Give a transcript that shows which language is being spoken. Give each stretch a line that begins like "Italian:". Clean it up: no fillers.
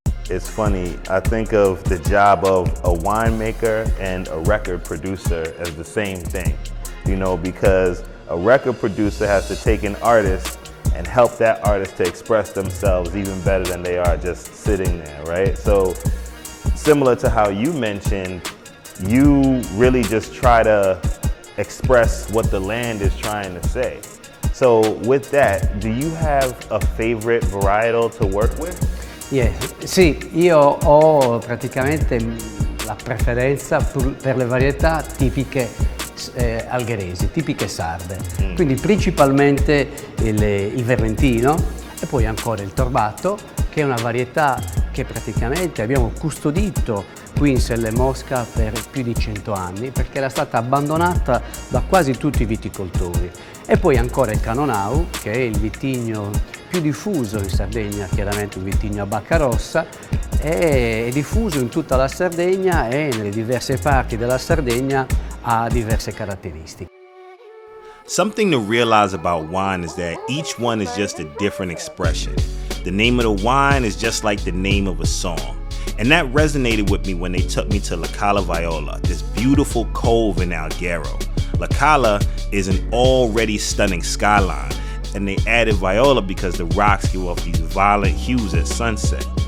English: It's funny, I think of the job of a winemaker and a record producer as the same thing, you know, because a record producer has to take an artist and help that artist to express themselves even better than they are just sitting there, right? So similar to how you mentioned, you really just try to express what the land is trying to say. So with that, do you have a favorite varietal to work with?
Italian: Yeah, sì, io ho praticamente la preferenza per le varietà tipiche algheresi, tipiche sarde. Quindi principalmente il Vermentino e poi ancora il Torbato, che è una varietà che praticamente abbiamo custodito qui in Sella Mosca per più di 100 anni, perché era stata abbandonata da quasi tutti i viticoltori. E poi ancora il Canonau, che è il vitigno più diffuso in Sardegna, chiaramente un vitigno a bacca rossa, è diffuso in tutta la Sardegna e nelle diverse parti della Sardegna ha diverse caratteristiche.
English: Something to realize about wine is that each one is just a different expression. The name of the wine is just like the name of a song. And that resonated with me when they took me to La Cala Viola, this beautiful cove in Alghero. La Cala is an already stunning skyline, and they added Viola because the rocks give off these violent hues at sunset.